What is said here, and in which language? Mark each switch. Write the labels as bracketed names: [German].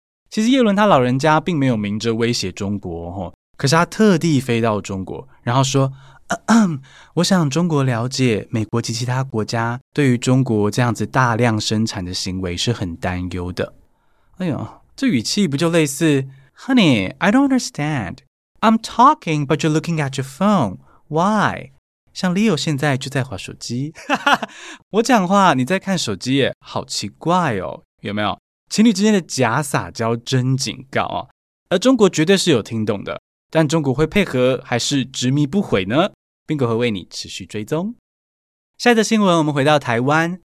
[Chinese] 其实耶伦他老人家并没有明着威胁中国，可是他特地飞到中国，然后说我想中国了解美国及其他国家对于中国这样子大量生产的行为是很担忧的。哎呦，这语气不就类似 [English] Honey, I don't understand. I'm talking, but you're looking at your phone. Why? [Chinese] 像 Leo 现在就在滑手机。我讲话你在看手机耶，好奇怪哦，有没有？情侣之间的假撒娇真警告啊！而中国绝对是有听懂的，但中国会配合还是执迷不悔呢？并会为你持续追踪。下一则新闻，我们回到台湾。